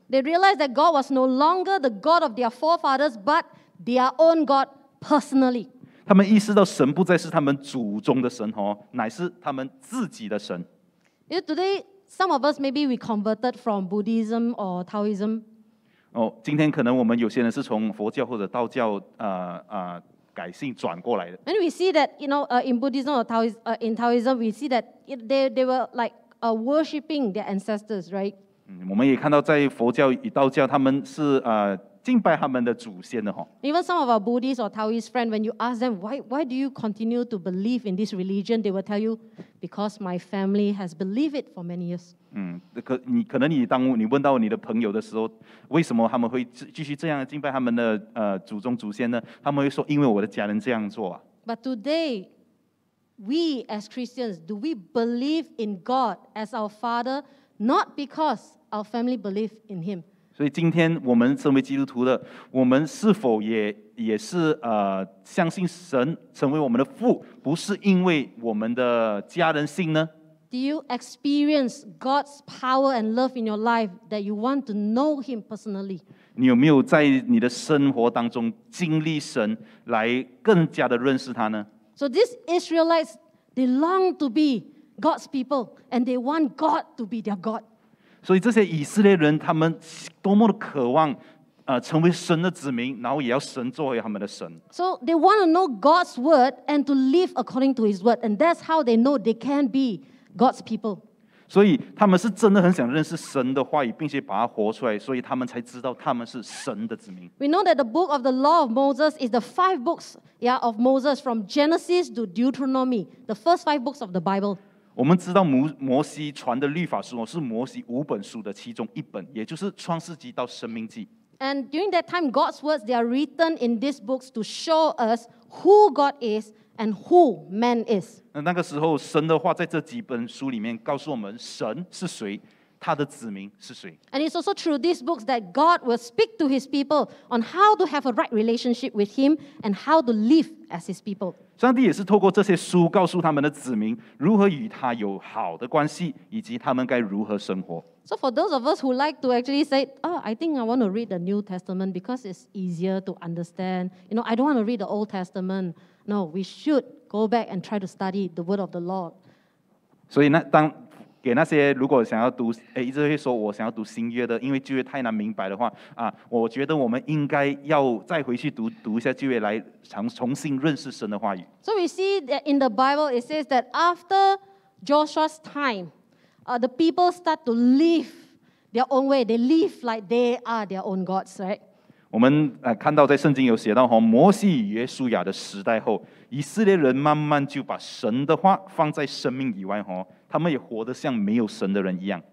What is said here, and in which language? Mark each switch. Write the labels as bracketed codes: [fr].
[en] They realize that God was no longer the God of their forefathers, but their own God personally. [zh] 他们意识到神不再是他们祖宗的神哦，乃是他们自己的神。 [en] You know, today. Some of us maybe we converted from Buddhism or Taoism. [zh] Oh, 今天可能我们有些人是从佛教或者道教改信转过来的。 [en] And we see that you know, in Buddhism or Taoism, we see that they were like worshiping their ancestors, right? [zh] 我们也看到在佛教与道教，他们是敬拜他们的祖先的哈。 [en] Even some of our Buddhist or Taoist friend, when you ask them why do you continue to believe in this religion, they will tell you because my family has believed it for many years. [zh] 可能你问到你的朋友的时候，为什么他们会继续这样敬拜他们的祖宗祖先呢？他们会说因为我的家人这样做啊。 [en] But today, we as Christians, do we believe in God as our Father not because our family believe in Him? [zh] 所以今天我们成为基督徒的，我们是否也是相信神成为我们的父，不是因为我们的家人信呢 [en] ？Do you experience God's power and love in your life that you want to know Him personally？ [zh] 你有没有在你的生活当中经历神，来更加的认识他呢 [en] ？So these Israelites, they long to be God's people, and they want God to be their God. [zh] 所以这些以色列人，他们多么的渴望，成为神的子民，然后也要神作为他们的神。 [en] So they want to know God's word and to live according to His word, and that's how they know they can be God's people. [zh] 所以他们是真的很想认识神的话语，并且把它活出来，所以他们才知道他们是神的子民。 [en] We know that the book of the law of Moses is the five books, yeah, of Moses from Genesis to Deuteronomy, the first five books of the Bible. [zh] 我们知道摩西传的律法书是摩西五本书的其中一本，也就是创世纪到生命记。 [en] And during that time, God's words they are written in these books to show us who God is and who man is. [zh] 那个时候，神的话在这几本书里面告诉我们神是谁，他的子民是谁。 [en] And it's also through these books that God will speak to His people on how to have a right relationship with Him and how to live as His people. [zh] 上帝也是透过这些书告诉他们的子民如何与他有好的关系，以及他们该如何生活。 [en] So for those of us who like to actually say, oh, I think I want to read the New Testament because it's easier to understand. You know, I don't want to read the Old Testament. No, we should go back and try to study the Word of the Lord. [zh] 所以那当给那些如果想要读，一直会说我想要读新约的，因为旧约太难明白的话，我觉得我们应该要再回去读一下旧约，来重新认识神的话语。 [en] So we see that in the Bible, it says that after Joshua's time, the people start to live their own way. They live like they are their own gods, right? [zh] 我们看到在圣经有写到哈，摩西与约书亚的时代后，以色列人慢慢就把神的话放在生命以外哈。他们也活得像没有神的人一样。